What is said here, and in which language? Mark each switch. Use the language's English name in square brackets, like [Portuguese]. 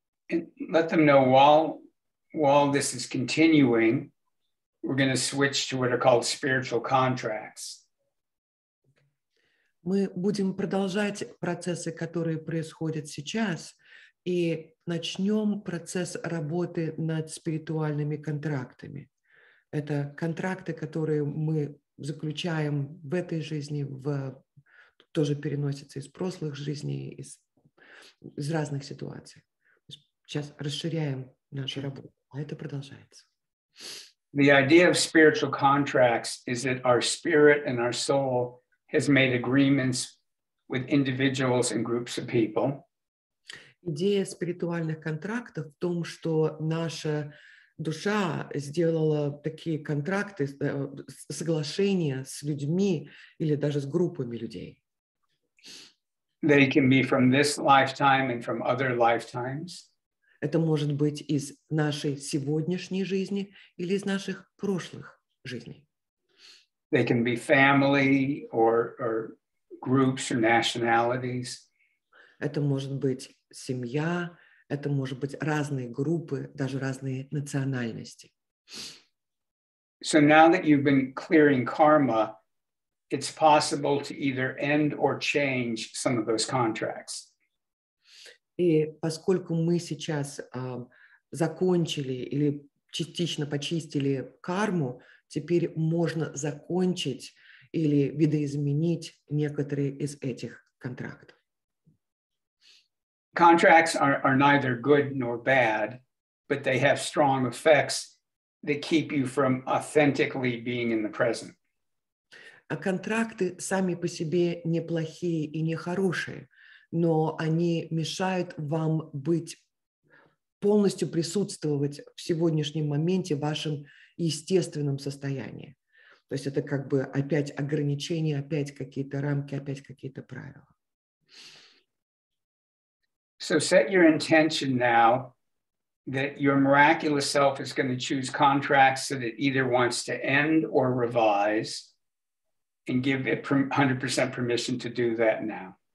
[English] And let them know while this is continuing, we're going to switch to what are called spiritual contracts. [Russian] Мы будем продолжать процессы, которые происходят сейчас, и начнем процесс работы над спиритуальными контрактами. Это контракты, которые мы заключаем в этой жизни, тоже переносятся из прошлых жизней, из разных ситуаций. Сейчас расширяем нашу работу, а это продолжается. [English] The idea of spiritual contracts is that our spirit and our soul has made agreements with individuals and groups of people. [Russian] Идея спиритуальных контрактов в том, что наша душа сделала такие контракты, соглашения с людьми или даже с группами людей. [English] They can be from this lifetime and from other lifetimes. [Russian] Это может быть из нашей сегодняшней жизни или из наших прошлых жизней. [English] They can be family or groups or nationalities. [Russian] Это может быть семья, это может быть разные группы, даже разные национальности. [English] So now that you've been clearing karma, it's possible to either end or change some of those contracts. [Russian] И поскольку мы сейчас закончили или частично почистили карму, теперь можно закончить или видоизменить некоторые из этих контрактов. [English] Contracts are neither good nor bad, but they have strong effects that keep you from authentically being in the present. [Russian] А контракты сами по себе не плохие и не хорошие. Но они мешают вам быть полностью присутствовать в сегодняшнем моменте в вашем естественном состоянии. То есть это как бы опять ограничения, опять какие-то рамки, опять какие-то правила. [English] So set your intention now that your miraculous self is going to choose contracts that it either wants to end or revise and give it 100% permission to do that now.